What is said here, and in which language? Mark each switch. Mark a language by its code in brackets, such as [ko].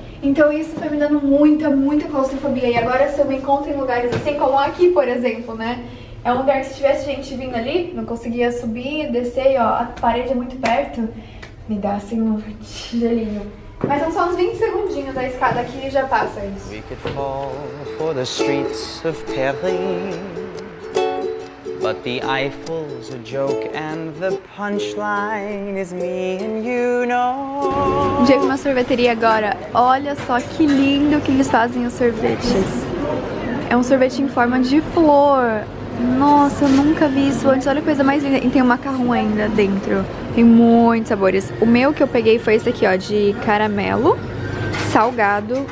[pt] Então isso foi me dando muita, muita claustrofobia. E agora se eu me encontro em lugares assim, como aqui, por exemplo, né? É um lugar que se tivesse gente vindo ali, não conseguia subir, descer, ó. A parede é muito perto. Me dá assim um tijolinho. Mas são só uns 20 segundinhos da escada aqui e já passa isso. [en] We could fall for the streets of Paris. But the Eiffel's a joke and the punchline is me and you know. [pt] Cheguei numa sorveteria agora. Olha só que lindo que eles fazem os sorvetes. É um sorvete em forma de flor. Nossa, eu nunca vi isso antes. Olha a coisa mais linda. E tem um macarrão ainda dentro. Tem muitos sabores. O meu que eu peguei foi esse aqui, ó, de caramelo salgado.